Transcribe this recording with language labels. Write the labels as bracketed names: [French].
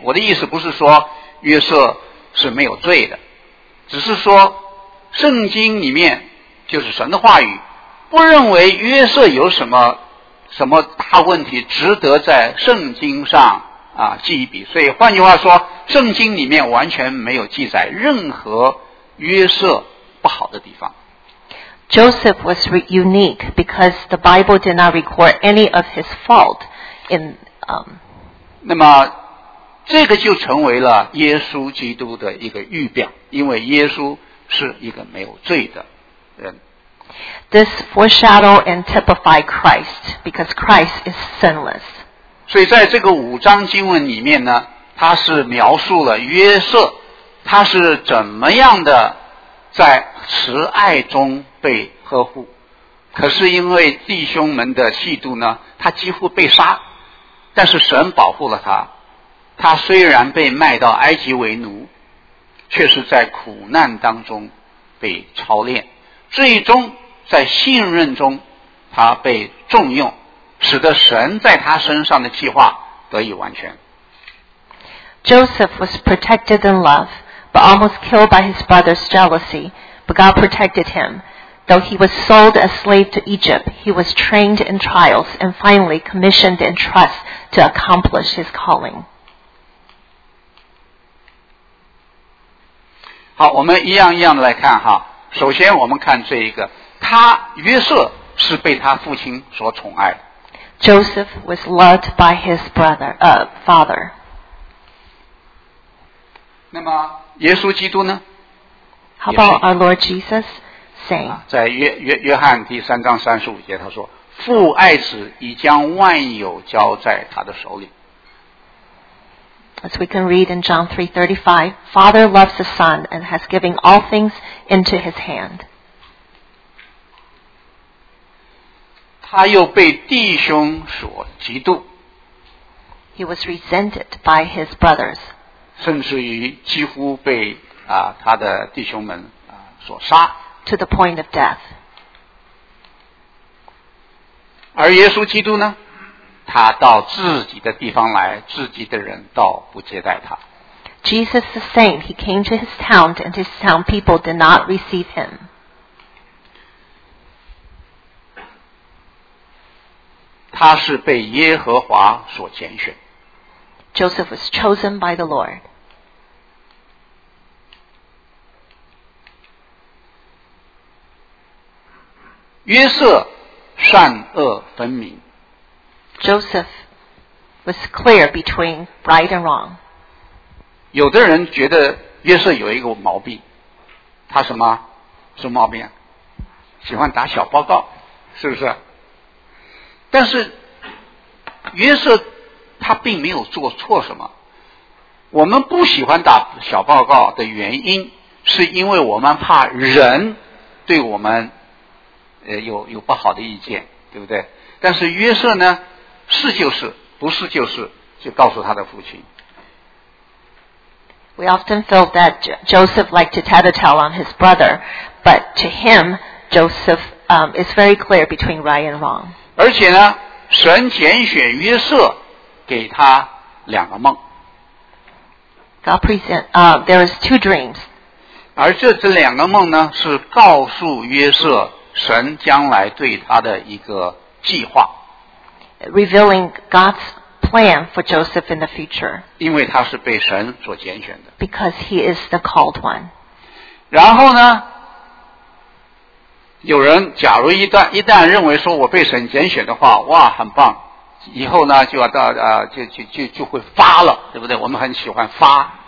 [Chinese] 我的意思不是说约瑟是没有罪的，只是说圣经里面就是神的话语不认为约瑟有什么大问题值得在圣经上记一笔。所以换句话说，圣经里面完全没有记载任何约瑟不好的地方。 [English] Joseph was unique because the Bible did not record any of his fault in [Chinese] 那么这个就成为了耶稣基督的一个预表，因为耶稣是一个没有罪的人。 [English] This foreshadow and typify Christ, because Christ is sinless. [Chinese] 所以在这个五章经文里面呢，它是描述了约瑟，他是怎么样的在慈爱中被呵护，可是因为弟兄们的嫉妒呢，他几乎被杀，但是神保护了他。他虽然被卖到埃及为奴，却是在苦难当中被操练，最终在信任中他被重用，使得神在他身上的计划得以完全。 [English] Joseph was protected in love but almost killed by his brother's jealousy, but God protected him. Though he was sold as slave to Egypt, he was trained in trials and finally commissioned in trust to accomplish his calling. [Chinese] 好，我们一样一样来看哈。首先我们看这一个，他约瑟是被他父亲所宠爱的。 [English] Joseph was loved by his brother, father. [Chinese] 那么耶稣基督呢？ [English] How about our Lord Jesus saying? [Chinese] 在 约翰第三章三十五节他说，父爱子已将万有交在他的手里。 [English] As we can read in John 3:35, Father loves the Son and has given all things into his hand. [Chinese] 他又被弟兄所嫉妒。 [English] He was resented by his brothers. [Chinese] 甚至于几乎被他的弟兄们所杀。 [English] To the point of death. [Chinese] 而耶稣基督呢？他到自己的地方来，自己的人倒不接待他。 [English] Jesus the same, he came to his town and his town people did not receive him. [Chinese] 他是被耶和华所拣选。 [English] Joseph was chosen by the Lord. [Chinese] 约瑟善恶分明。 [English] Joseph was clear between right and wrong. [Chinese] 有的人觉得约瑟有一个毛病，他什么？什么毛病？喜欢打小报告，是不是？但是约瑟他并没有做错什么。我们不喜欢打小报告的原因，是因为我们怕人对我们有不好的意见，对不对？但是约瑟呢？是就是，不是就是，就告诉他的父亲。 [English] We often felt that Joseph liked to tattletale on his brother, but to him, Joseph is very clear between right and wrong. [Chinese] 而且呢，神拣选约瑟，给他两个梦。 [English] God present, there is two dreams. [Chinese] 而这两个梦呢，是告诉约瑟神将来对他的一个计划。 [English] Revealing God's plan for Joseph in the future. [Chinese] 因为他是被神所拣选的。 [English] Because he is the called one. [Chinese] 然后呢，有人假如一旦认为说我被神拣选的话，哇，很棒，以后呢就要到就会发了，对不对？我们很喜欢发。